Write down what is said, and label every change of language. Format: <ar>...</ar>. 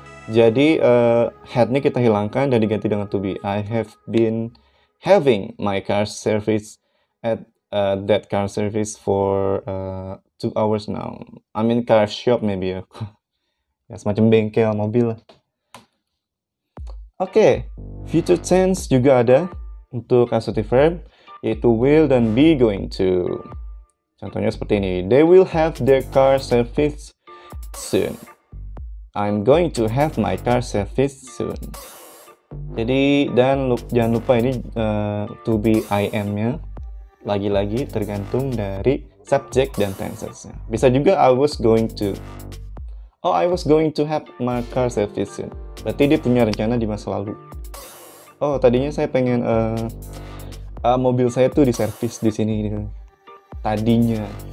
<id>Jadi had-nya kita hilangkan dan diganti dengan to be.</id> <en>I have been having my car service at that car service for 2 hours now. I mean car shop maybe</en> <id>ya. Ya, semacam bengkel mobil lah. Oke, future tense juga ada untuk causative verb, yaitu will dan be going to.</id> <en>Contohnya seperti ini, they will have their car serviced soon. I'm going to have my car serviced soon.</en> <id>Jadi, dan jangan lupa ini to be I am-nya. lagi-lagi tergantung dari subject dan tenses-nya. Bisa juga</id> <en>I was going to have my car service soon.</en> <id>Berarti dia punya rencana di masa lalu. Oh, tadinya saya pengen mobil saya tuh di servis di sini. Tadinya.</id>